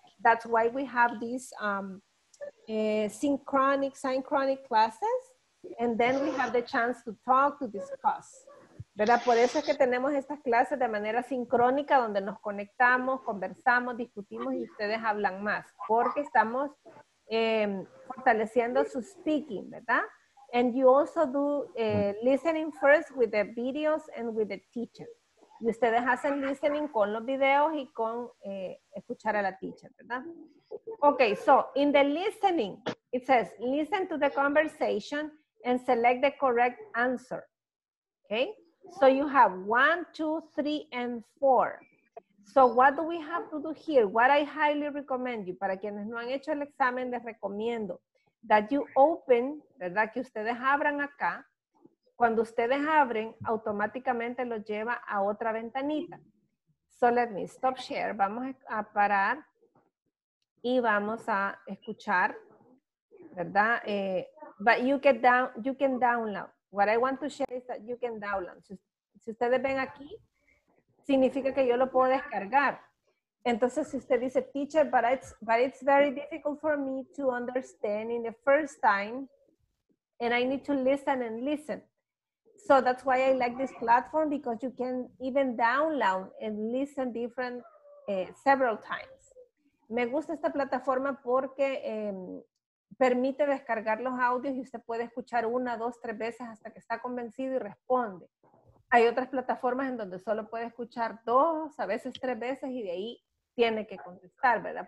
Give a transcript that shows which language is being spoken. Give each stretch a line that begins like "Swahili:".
English: That's why we have these synchronic classes, and then we have the chance to talk, to discuss.
Spanish: ¿verdad? Por eso es que tenemos estas clases de manera sincrónica, donde nos conectamos, conversamos, discutimos y ustedes hablan más, porque estamos fortaleciendo su speaking, ¿verdad?
English: And you also do listening first with the videos and with the teacher.
Spanish: Y ustedes hacen listening con los videos y con escuchar a la teacher, ¿verdad?
English: Okay, so in the listening, it says, listen to the conversation and select the correct answer. Okay, so you have 1, 2, 3, and 4. So what do we have to do here? What I highly recommend you,
Spanish: para quienes no han hecho el examen, les recomiendo
English: that you open,
Spanish: ¿verdad? Que ustedes abran acá. Cuando ustedes abren, automáticamente los lleva a otra ventanita.
English: So let me stop share.
Spanish: Vamos a parar y vamos a escuchar, ¿verdad?
English: But you get down, you can download. What I want to share is that you can download.
Spanish: Si ustedes ven aquí, significa que yo lo puedo descargar. Entonces, si usted dice, teacher,
English: but it's very difficult for me to understand in the first time, and I need to listen and listen. So that's why I like this platform, because you can even download and listen different several times.
Spanish: Me gusta esta plataforma porque permite descargar los audios y usted puede escuchar 1, 2, 3 veces hasta que está convencido y responde. Hay otras plataformas en donde solo puede escuchar 2, a veces 3 veces y de ahí tiene que contestar, ¿verdad?